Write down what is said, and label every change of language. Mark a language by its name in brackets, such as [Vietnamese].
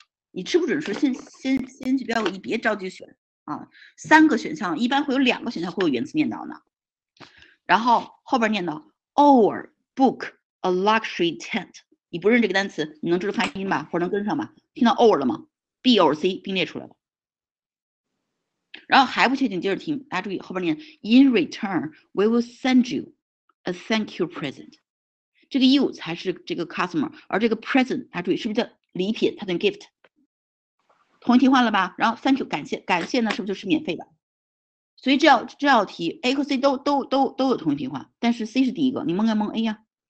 [Chinese] 你吃不准时，先去标个一，别着急选啊。三个选项一般会有两个选项会有原词念叨呢，然后后边念叨 [English] or book a luxury tent。 [Chinese] 你不认这个单词，你能知道发音吧，或者能跟上吧？听到 or 了吗？B or C 并列出来了。然后还不确定，接着听，大家注意后边念 [English] in return we will send you a thank you present。 [Chinese] 这个 you 才是这个 customer， 而这个 present 大家注意是不是叫礼品，它叫 gift， 同意替换了吧？然后 thank you 感谢呢，是不是就是免费的？所以这道题 A 和 C 都有同意替换，但是 C 是第一个，你蒙该蒙 A 呀。